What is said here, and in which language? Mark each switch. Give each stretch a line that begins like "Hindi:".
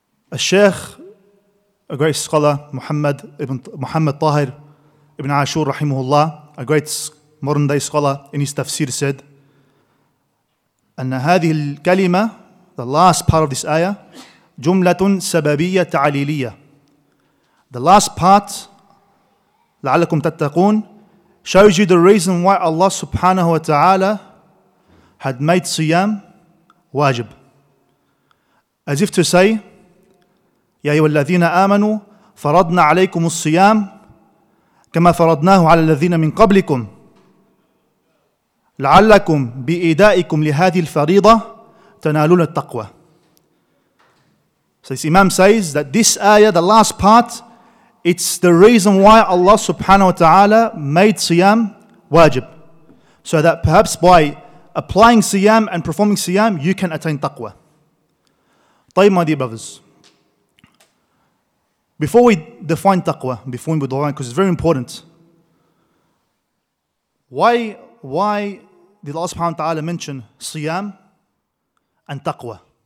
English: A sheikh, a great scholar, Muhammad Tahir ibn Ashur rahimahullah, a great modern day scholar, in his tafsir said,
Arabic: أن هذه الكلمة,
English: the last part of this ayah,
Arabic: جملة سببية تعليلية.
English: The last part,
Arabic: لعلكم تتقون,
English: shows you the reason why Allah subhanahu wa ta'ala had made siyam wajib. As if to say,
Arabic: يا أيها الذين آمنوا فرضنا عليكم الصيام كما فرضناه على الذين من قبلكم لعلكم بإدائكم لهذه الفريضة تنالون التقوى.
English: So this Imam says that this ayah, the last part, it's the reason why Allah subhanahu wa ta'ala made siyam wajib. So that perhaps by applying siyam and performing siyam, you can attain taqwa. طيب, my dear brothers, before we define taqwa, before we move on, because it's very important, why did Allah subhanahu wa ta'ala mention siyam and taqwa?